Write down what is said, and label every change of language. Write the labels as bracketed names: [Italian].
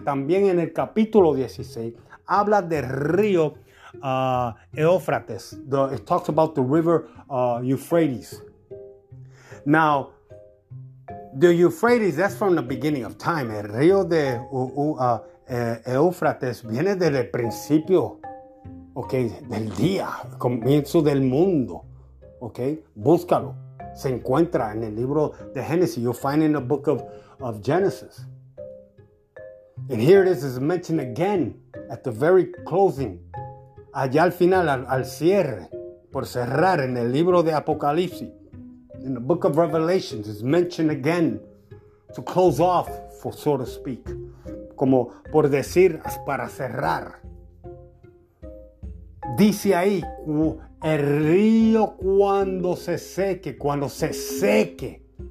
[Spanish] También en el capítulo 16, habla del río Éufrates. [English] It talks about the river Euphrates. Now, the Euphrates, that's from the beginning of time. [Spanish] El río de Éufrates viene desde el principio, okay, del día, comienzo del mundo, okay. Búscalo. Se encuentra en el libro de Génesis. [English] You'll find in the book of Genesis. And here it is mentioned again at the very closing. [Spanish] Allá al final, al cierre, por cerrar en el libro de Apocalipsis. [English] In the book of Revelations, it's mentioned again to close off, for so to speak. [Spanish] Como por decir, para cerrar. Dice ahí, el río cuando se seque.